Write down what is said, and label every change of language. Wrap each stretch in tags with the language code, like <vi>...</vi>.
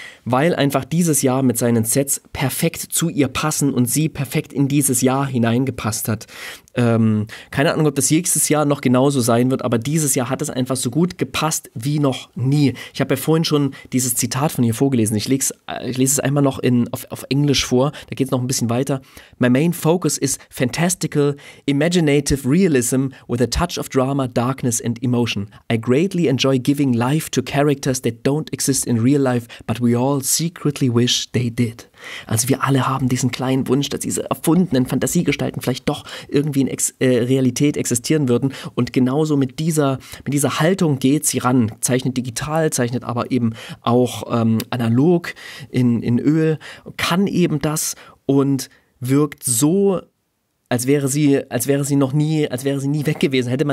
<de>weil einfach dieses Jahr mit seinen Sets perfekt zu ihr passen und sie perfekt in dieses Jahr hineingepasst hat. Keine Ahnung, ob das nächstes Jahr noch genauso sein wird, aber dieses Jahr hat es einfach so gut gepasst wie noch nie. Ich habe ja vorhin schon dieses Zitat von ihr vorgelesen. Ich lese es einmal noch auf Englisch vor, da geht es noch ein bisschen weiter.</de> <en>My main focus is fantastical, imaginative realism with a touch of drama, darkness and emotion. I greatly enjoy giving life to characters that don't exist in real life, but we all secretly wish they did.</en> <de>Also wir alle haben diesen kleinen Wunsch, dass diese erfundenen Fantasiegestalten vielleicht doch irgendwie in Realität existieren würden. Und genauso mit dieser Haltung geht sie ran. Zeichnet digital, zeichnet aber eben auch analog in Öl, kann eben das und wirkt so, als wäre sie nie weg gewesen.</de>